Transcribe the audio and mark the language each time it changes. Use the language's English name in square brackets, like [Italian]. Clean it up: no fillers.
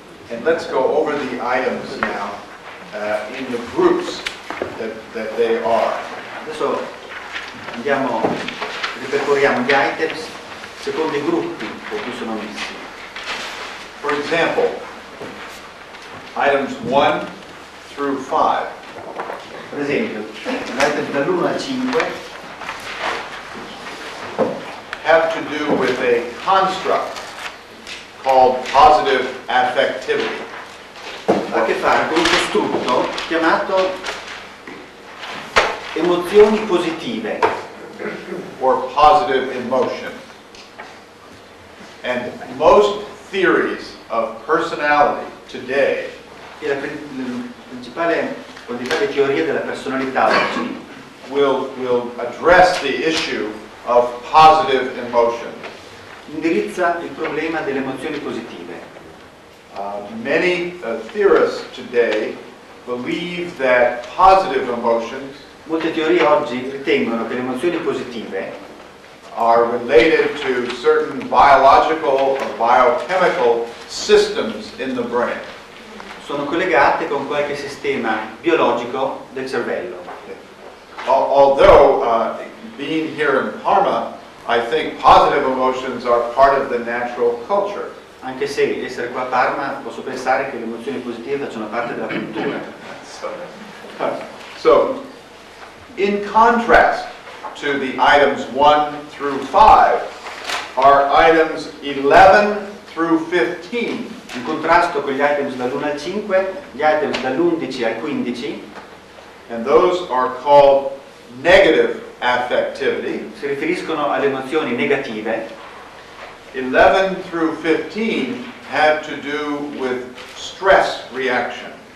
[English] And let's go over the items now in the groups that they are. [Italian] Adesso andiamo, ripercorriamo gli items secondo i gruppi con cui sono messi. [English] For example, items 1 through 5. [Italian] Per esempio, items dall'1 al 5. [English] Have to do with a construct called positive affectivity. [Italian] Ha a che fare con un costrutto chiamato emozioni positive. [English] Or positive emotion. And most theories of personality today. [Italian] E la principale teoria della personalità oggi. [English] Will address the issue of positive emotion. [Italian] Indirizza il problema delle emozioni positive. [English] Many theorists today believe that positive emotions. [Italian] Molte teorie oggi ritengono che le emozioni positive [English] are related to certain biological or biochemical systems in the brain. [Italian] Sono collegate con qualche sistema biologico del cervello. [English] Although being here in Parma, I think positive emotions are part of the natural culture. [Italian] Anche se essere qua a Parma, posso pensare che le emozioni positive facciano parte della cultura. [English] So, in contrast to the items 1 through 5, are items 11 through 15. [Italian] In contrasto con gli items dall'1 al 5, gli items dall'11 al 15. [English] And those are called negative affectivity. [Italian] Si riferiscono alle emozioni negative. [English] 11 through 15 have to do with stress reaction.